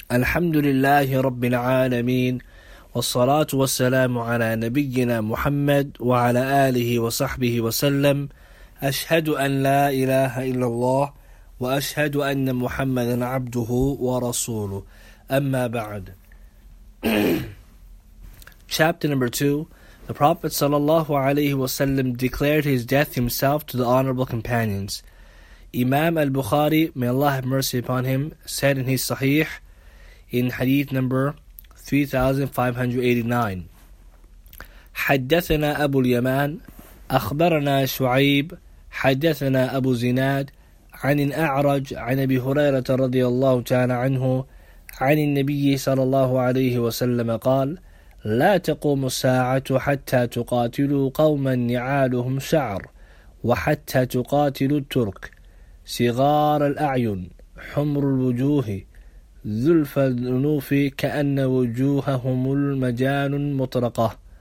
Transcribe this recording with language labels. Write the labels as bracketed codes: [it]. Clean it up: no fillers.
[ar] الحمد لله رب العالمين، والصلاة والسلام على نبينا محمد وعلى آله وصحبه وسلم. أشهد أن لا إله إلا الله، وأشهد أن محمدا عبده ورسوله. أما بعد. [en] Chapter number 2. The Prophet [ar] صلى الله عليه وسلم [en] declared his death himself to the honorable companions. Imam al-Bukhari, may Allah have mercy upon him, said in his Sahih, in Hadith number 3589, [ar] حدثنا أبو اليمان أخبرنا شعيب حدثنا أبو زناد عن الأعرج عن أبي هريرة رضي الله تعالى عنه عن النبي صلى الله عليه وسلم قال لا تقوم الساعة حتى تقاتلوا قوما نعالهم شعر وحتى تقاتلوا الترك صغار الأعين حمر الوجوه ذلف الأنوف كأن وجوههم المجان مطرقة